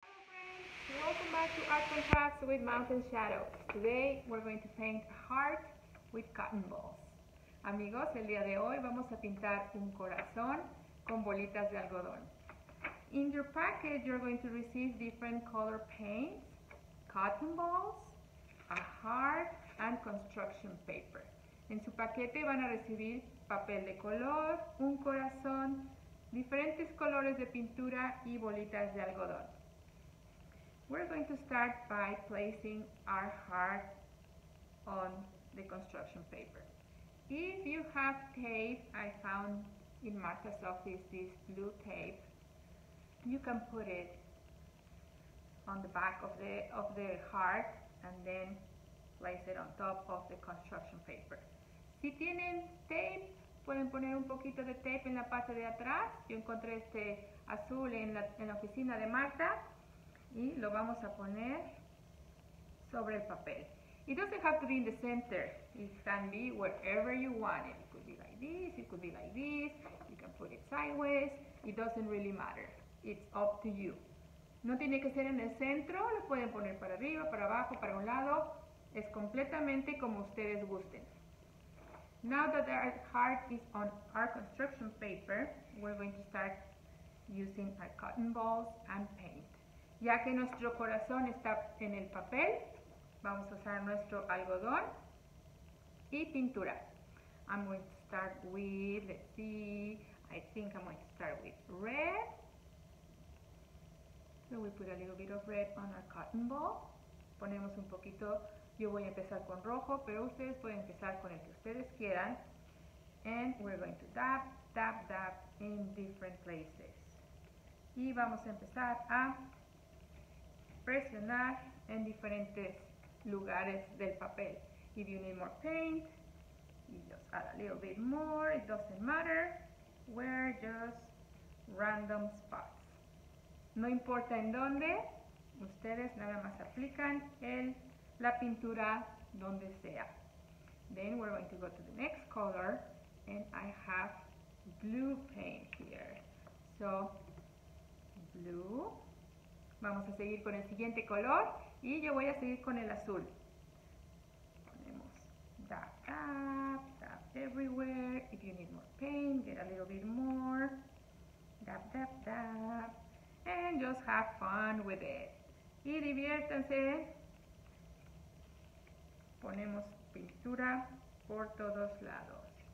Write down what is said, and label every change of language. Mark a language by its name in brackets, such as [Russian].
[English] Welcome back to Arts and Crafts with Mountain Shadow. Today we're going to paint a heart with cotton balls. [Spanish] Amigos, el día de hoy vamos a pintar un corazón con bolitas de algodón. [English] In your package, you're going to receive different color paints, cotton balls, a heart, and construction paper. [Spanish] En su paquete van a recibir papel de color, un corazón, diferentes colores de pintura y bolitas de algodón. [English] We're going to start by placing our heart on the construction paper. If you have tape, I found in Martha's office this blue tape, you can put it on the back of the heart and then place it on top of the construction paper. [Spanish] Si tienen tape, pueden poner un poquito de tape en la parte de atrás. Yo encontré este azul en la oficina de Martha. Y lo vamos a poner sobre el papel. [English] It doesn't have to be in the center. It can be wherever you want it. It could be like this, it could be like this. You can put it sideways. It doesn't really matter. It's up to you. [Spanish] No tiene que ser en el centro. Lo pueden poner para arriba, para abajo, para un lado. Es completamente como ustedes gusten. [English] Now that our heart is on our construction paper, we're going to start using our cotton balls and paint. [Spanish] Ya que nuestro corazón está en el papel, vamos a usar nuestro algodón y pintura. [English] I'm going to start with, let's see, I think I'm going to start with red. So we put a little bit of red on our cotton ball. [Spanish] Ponemos un poquito, yo voy a empezar con rojo, pero ustedes pueden empezar con el que ustedes quieran. [English] And we're going to dab, dab, dab in different places. [Spanish] Y vamos a empezar a presionar en diferentes lugares del papel. [English] If you need more paint, you just add a little bit more, it doesn't matter. We're just random spots. [Spanish] No importa en dónde, ustedes nada más aplican la pintura donde sea. [English] Then we're going to go to the next color, and I have blue paint here. So, blue. [Spanish] Vamos a seguir con el siguiente color y yo voy a seguir con el azul. Ponemos [English] dab, dab, dab everywhere. If you need more paint, get a little bit more. Dab, dab, dab. And just have fun with it. [Spanish] Y diviértanse. Ponemos pintura por todos lados.